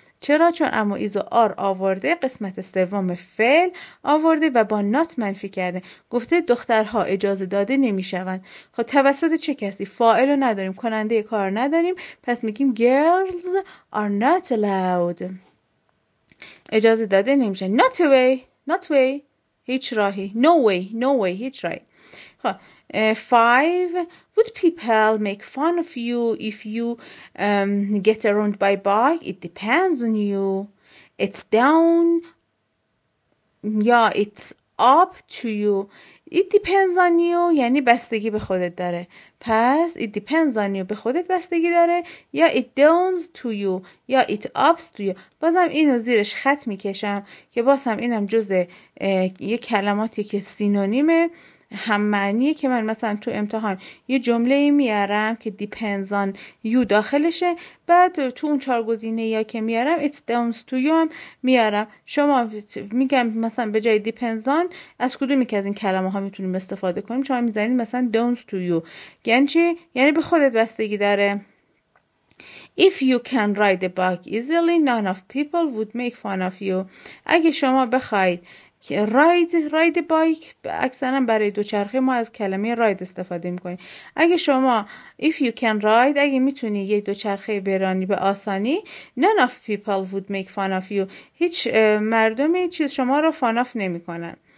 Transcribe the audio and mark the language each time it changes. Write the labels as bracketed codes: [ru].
[fa] چرا؟ چون اما ایز و آر آورده, قسمت سوم فعل آورده و با not منفی کرده, گفته دخترها اجازه داده نمیشوند. خب توسط چه کسی؟ فاعل رو نداریم, کننده کار نداریم, پس میگیم [en] girls are not allowed, [fa] اجازه داده نمیشه. [en] not way, not way, [fa] هیچ راهی. [en] no way, no way, هیچ راهی. خب 5, would people make fun of you if you get around by bike? It depends on you, it's down, yeah, it's up to you. It depends on you, [fa] یعنی بستگی به خودت داره. [en] پس it depends on you, [fa] به خودت بستگی داره, [en] یا it downs to you, یا it ups to you. [fa] بازم اینو زیرش خط میکشم که بازم اینم جز یه کلماتی که سینونیمه, هم معنیه, که من مثلا تو امتحان یه جمله میارم که [en] depends on you [fa] داخلشه, بعد تو اون چهار گزینه یا که میارم [en] it's downs to you [fa] میارم. شما میگم مثلا به جای depends on از کدومی که از این کلمه ها میتونیم استفاده کنیم, شما میزنید مثلا [en] downs to you, [fa] یعنی چی؟ یعنی به خودت بستگی داره. [en] If you can ride a bike easily, none of people would make fun of you, [fa] اگه شما بخواید راید بایک اکثرا برای دوچرخه ما از کلمه راید استفاده میکنیم. اگه شما [en] if you can ride، [fa] اگه میتونی یه دوچرخه برانی به آسانی، [en] none of people would make fun of you، [fa] هیچ مردمی چیز شما رو فاناف نمی کنن.